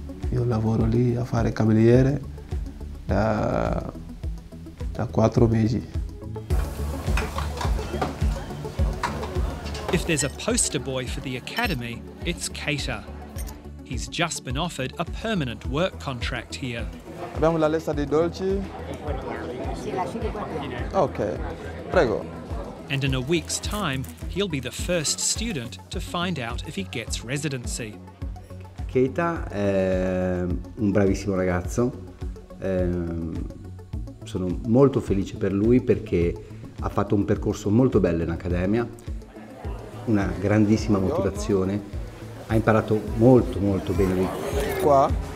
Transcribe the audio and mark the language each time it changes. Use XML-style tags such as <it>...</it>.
<it>Io lavoro lì a fare cameriere da 4 mesi.</it> <en>If there's a poster boy for the academy, it's Keita. He's just been offered a permanent work contract here.</en> <it>Abbiamo la lista dei dolci. Okay, prego.</it> <en>And in a week's time, he'll be the first student to find out if he gets residency.</en> <it>Keita è un bravissimo ragazzo. Sono molto felice per lui perché ha fatto un percorso molto bello in accademia. Una grandissima motivazione, ha imparato molto molto bene lì. Qua?</it>